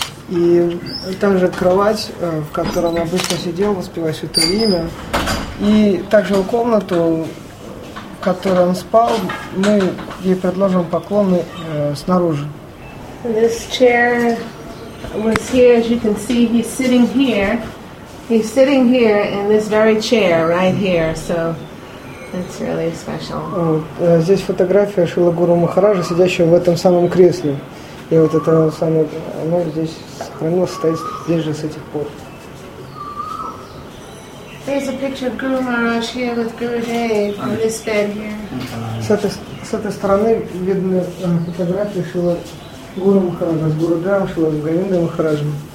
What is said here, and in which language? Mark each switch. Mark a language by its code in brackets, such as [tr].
[ru] И также кровать, в которой он обычно сидел, воспевая святое имя. И также комнату, в которой он спал, мы ей предложим поклоны снаружи. [en] This chair was here, as you can see, he's sitting here. He's sitting here in this very chair, right here, so it's really special. [ru] Здесь фотография Шрила Гуру Махараджа, сидящего в этом самом кресле. И вот это самое, оно здесь сохранилось, стоит здесь же с этих пор. [en] There's a picture of Guru Maharaj here with Gurudev in this bed here. [ru] С этой стороны видны фотографии Шрила Гуру Махараджа с Гурудевом, Шрила Гавиндой Махараджем.